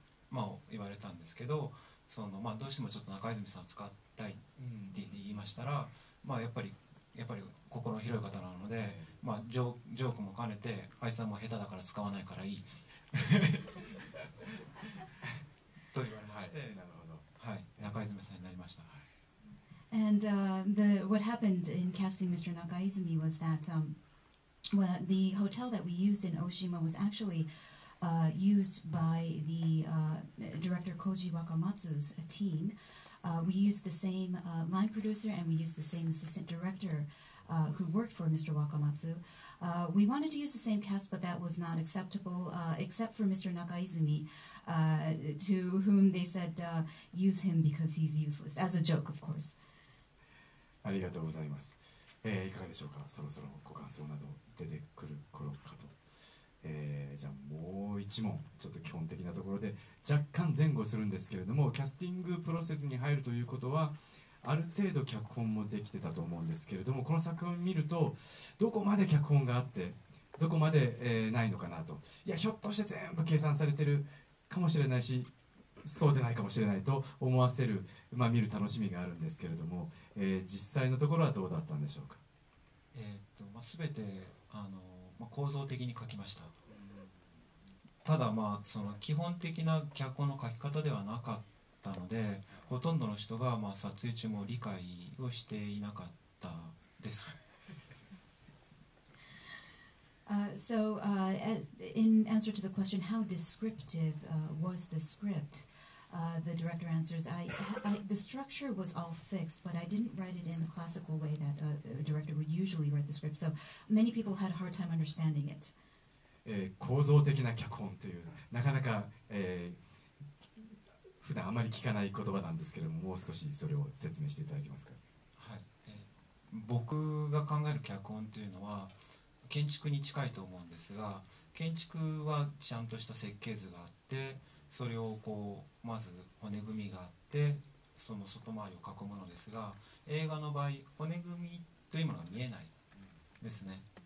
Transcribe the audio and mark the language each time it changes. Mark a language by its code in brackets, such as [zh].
[ja] まあ、言われたんですけど、そのまあどうしてもちょっと中泉さんを使いたいって言いましたら、うん、まあ、やっぱり心の広い方なので、まあ、ジョークも兼ねて、あいつはもう下手だから使わないからいいと言われまして、はい、なるほど、はい、中泉さんになりました。 [en] And what happened in casting Mr. Nakaizumi was that the hotel that we used in Oshima was actually used by the director Koji Wakamatsu's team. We used the same line producer and we used the same assistant director who worked for Mr. Wakamatsu. We wanted to use the same cast, but that was not acceptable, except for Mr. Nakaizumi, to whom they said, use him because he's useless, as a joke, of course. [ja] ありがとうございます。いかがでしょうか。そろそろご感想など出てくる頃かと。じゃあもう一問、ちょっと基本的なところで若干前後するんですけれども、キャスティングプロセスに入るということは、ある程度脚本もできてたと思うんですけれども、この作品を見るとどこまで脚本があって、どこまで、ないのかなと。いや、ひょっとして全部計算されてるかもしれないし、そうでないかもしれないと思わせる、まあ、見る楽しみがあるんですけれども、実際のところはどうだったんでしょうか。まあ、全て構造的に書きました。ただ、まあ、その基本的な脚本の書き方ではなかったので、ほとんどの人が、まあ、撮影中も理解をしていなかったです。 [en] So, in answer to the question, how descriptive was the script? The director answers, the structure was all fixed, but I didn't write it in the classical way that a director would usually write the script. So, many people had a hard time understanding it. [ja] 構造的な脚本という、なかなか、普段あまり聞かない言葉なんですけれども、もう少しそれを説明していただけますか。はい。僕が考える脚本というのは、建築に近いと思うんですが、建築はちゃんとした設計図があって、それをこうまず骨組みがあって、その外回りを囲むのですが、映画の場合骨組みというものが見えないですね。